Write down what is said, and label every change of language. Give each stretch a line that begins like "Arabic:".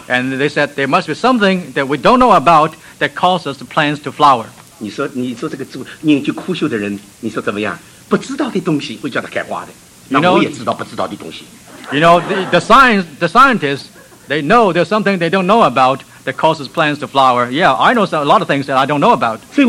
English: and they said there must be something that we don't know about that causes the plants to flower.
Chinese: 你说这个念句枯秀的人，你说怎么样？不知道的东西会叫它开花的。
English: You know, the scientists, they know there's something they don't know about that causes plants to flower. Yeah, I know a lot of things that I don't know about.